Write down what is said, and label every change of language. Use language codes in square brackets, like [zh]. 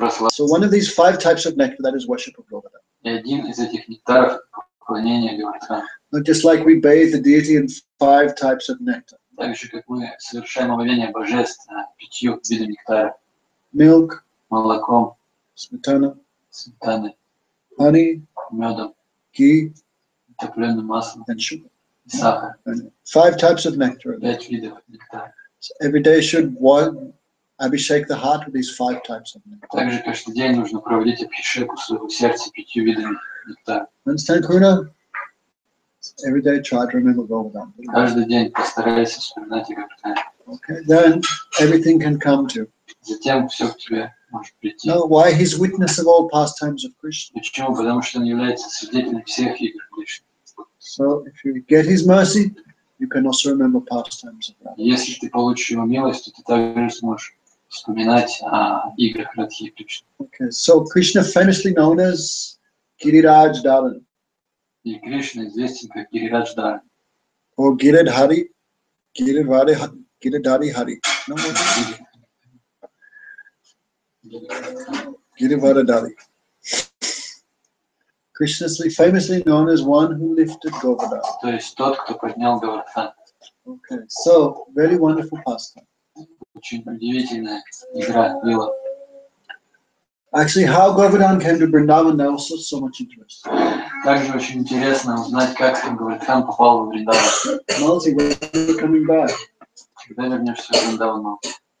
[en] So one of these five types of nectar, that is worship of Govardhan. [ru] И один из этих нектаров поклонение Говардхан. [en] Not just like we bathe the deity in five types of nectar. [ru] Так же, как мы совершаем омовение божеств пятью видами нектара. [en] Milk, [ru] молоко, сметана, [en] honey, [ru] медом, [en] ghee, [ru] топленым маслом, [en] and sugar, [ru] и сахар. [en] Five types of nectar. [ru] Пять видов нектара. [en] So every day should one abhishek the heart with these five types of nectar. [ru] Также каждый день нужно проводить абхишеку своего сердца пятью видами нектара. [en] Understand, Karuna? Every day try to remember Govardhan. [ru] Каждый день постарайся вспоминать Govardhan. [en] Okay, then everything can come to. [ru] Затем все к тебе может прийти. [en] No, why he's witness of all pastimes of Krishna? [ru] Почему? Потому что он является свидетелем всех игр Кришны. [en] So if you get his mercy, you can also remember pastimes of Radha. [ru] Если ты получишь его милость, то ты также сможешь вспоминать о играх Радхи Кришны. [en] Okay, so Krishna famously known as Giriraj Dharan. [ru] И Кришна известен как Гирирадж Дхаран. [en] O Giridhari, Giridhari, Giridhari Hari. No more. Giridhari. Krishna is famously known as one who lifted Govardhan. [ru] То есть тот, кто поднял Говардхан. [en] Okay, so very wonderful pastime. [ru] Очень удивительная игра была. [en] Actually, how Govardhan came to Vrindavan, that also so much interest. [ru] Также очень интересно узнать, как Говардхан попал в Вриндаван. [en] Malti, when are you coming back? [ru] Когда вернешься в Вриндаван, Malti?